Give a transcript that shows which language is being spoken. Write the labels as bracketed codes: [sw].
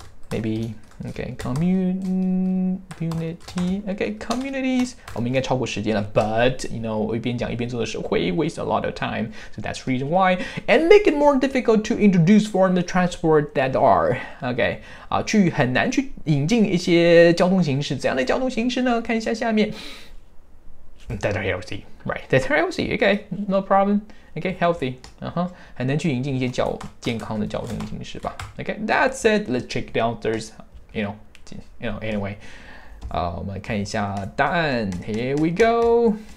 [en] Maybe, okay, community, okay, communities. [zh] 我们应该超过时间了 [en] but, you know, [zh] 一边讲一边做的时候会 [en] waste a lot of time. So that's the reason why. And make it more difficult to introduce form of transport that are, okay. [zh] 去很难去引进一些交通形式，怎样的交通形式呢？看一下下面 ， [en] that are healthy, right? That are healthy, okay, no problem, okay, healthy, [zh] 很难去引进一些健康的交通形式吧 [en] ？Okay, that's it. Let's check the answers. You know, anyway. [zh] 我们看一下答案。 [en] Here we go.